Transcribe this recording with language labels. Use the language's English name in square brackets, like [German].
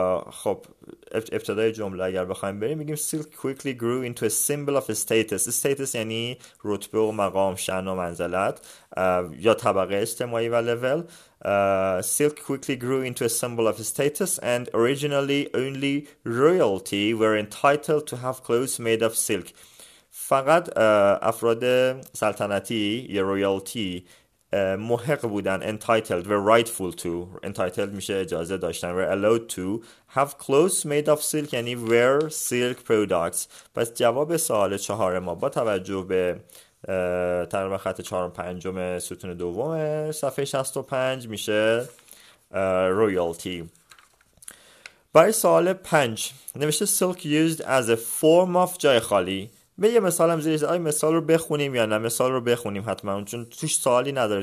[Persian] خب ابتدای جمله اگر بخوایم بریم، میگیم [English] silk quickly grew into a symbol of status. [Persian] status یعنی رتبه و مقام، شأن و منزلت، یا طبقه اجتماعی و level. [English] Silk quickly grew into a symbol of status and originally only royalty were entitled to have clothes made of silk. [Persian] فقط افراد سلطنتی یا رویالتی محق بودن، entitled، [English] were rightful to، [Persian] entitled میشه اجازه داشتن، [English] were allowed to have clothes made of silk [Persian] یعنی [English] wear silk products. [Persian] پس جواب سوال 4 ما با توجه به تقریبا خط 4 و 5 ستون دوم صفحه 65 میشه رویالتی. برای سوال 5 نوشته [English] silk used as a form of، [Persian] جای خالی، به یه مثال هم زیرش، آیا مثال رو بخونیم یا نه؟ مثال رو بخونیم حتما، چون توش سوالی نداره.